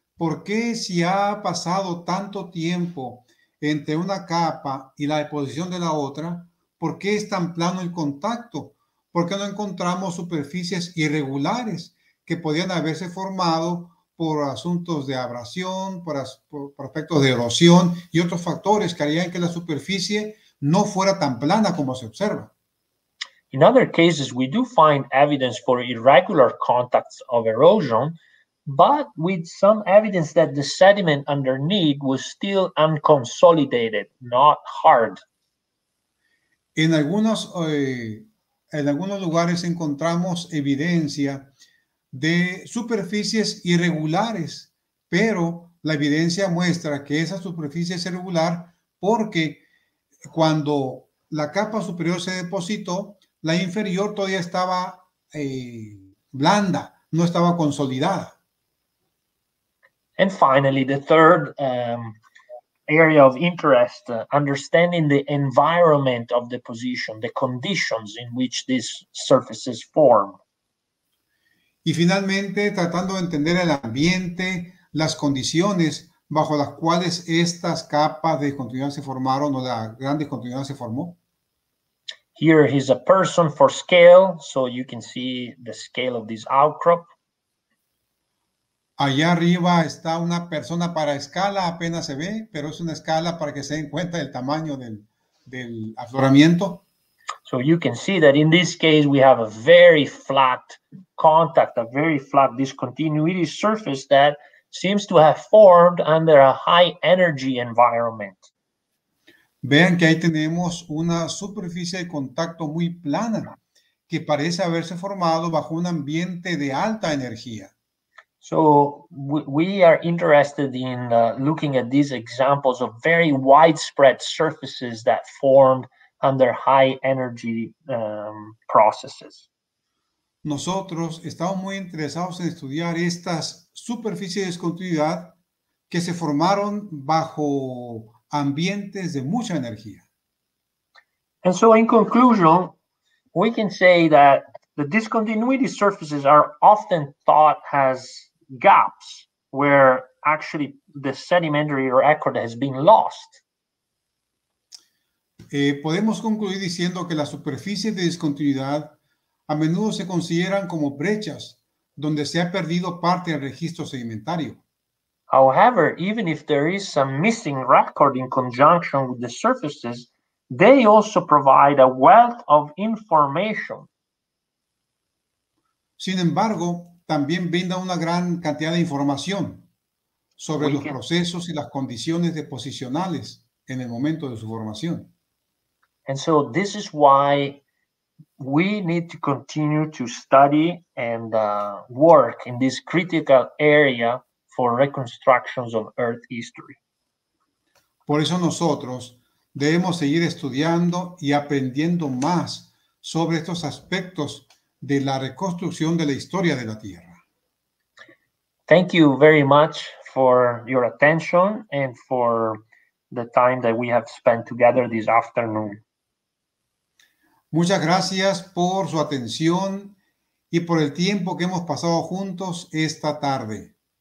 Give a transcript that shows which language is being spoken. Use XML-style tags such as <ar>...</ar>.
<es>¿Por qué si ha pasado tanto tiempo entre una capa y la deposición de la otra, por qué es tan plano el contacto? ¿Por qué no encontramos superficies irregulares que podían haberse formado por asuntos de abrasión, por efectos de erosión y otros factores que harían que la superficie no fuera tan plana como se observa?</es> <en>In other cases, we do find evidence for irregular contacts of erosion, but with some evidence that the sediment underneath was still unconsolidated, not hard.</en> <es>En algunos lugares encontramos evidencia de superficies irregulares, pero la evidencia muestra que esa superficie es irregular porque cuando la capa superior se depositó, la inferior todavía estaba blanda, no estaba consolidada.</es> <en>And finally, the third area of interest, understanding the environment of deposition, the conditions in which these surfaces form.</en> <es>Y finalmente, tratando de entender el ambiente, las condiciones bajo las cuales estas capas de continuidad se formaron o la gran discontinuidad se formó.</es> <en>Here is a person for scale, so you can see the scale of this outcrop.</en> <es>Allá arriba está una persona para escala, apenas se ve, pero es una escala para que se den cuenta del tamaño del afloramiento.</es> <en>So you can see that in this case we have a very flat contact, a very flat discontinuity surface that seems to have formed under a high energy environment.</en> <es>Vean que ahí tenemos una superficie de contacto muy plana que parece haberse formado bajo un ambiente de alta energía.</es> <en>So we are interested in looking at these examples of very widespread surfaces that formed under high energy processes.</en> <es>Nosotros estamos muy interesados en estudiar estas superficies de discontinuidad que se formaron bajo ambientes de mucha energía.</es> <en>And so in conclusion, we can say that the discontinuity surfaces are often thought as gaps where actually the sedimentary record has been lost.</en> <es>Podemos concluir diciendo que las superficies de discontinuidad a menudo se consideran como brechas donde se ha perdido parte del registro sedimentario.</es> <en>However, even if there is some missing record in conjunction with the surfaces, they also provide a wealth of information.</en> <es>Sin embargo, también brinda una gran cantidad de información sobre los procesos y las condiciones deposicionales en el momento de su formación.</es> <en>And so this is why we need to continue to study and work in this critical area for reconstructions of Earth history.</en> <es>Por eso nosotros debemos seguir estudiando y aprendiendo más sobre estos aspectos de la reconstrucción de la historia de la Tierra.</es> <en>Thank you very much for your attention and for the time that we have spent together this afternoon.</en> <es>Muchas gracias por su atención y por el tiempo que hemos pasado juntos esta tarde.</es>